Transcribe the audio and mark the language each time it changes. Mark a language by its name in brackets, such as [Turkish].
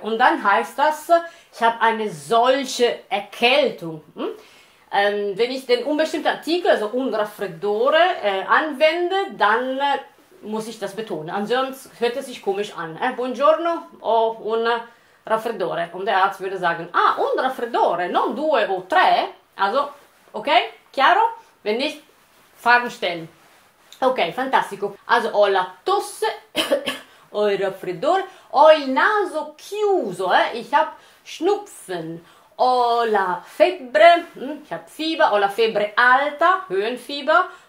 [German] Und dann heißt das, ich habe eine solche Erkältung. Wenn ich den unbestimmten Artikel, also un raffreddore, anwende, dann muss ich das betonen. Ansonsten hört es sich komisch an. [Italian] Buongiorno, o un raffreddore. Raffreddore, un raffreddore, non due o tre, also, ok? Chiaro? [German] Wenn nicht, Fragen stellen. [Italian] Ok, fantastico. Also, ho la tosse, ho il raffreddore, ho il naso chiuso, [German] ich hab Schnupfen, [Italian] ho la febbre, [German] ich hab Fieber, [Italian] ho la febbre alta, Höhenfieber.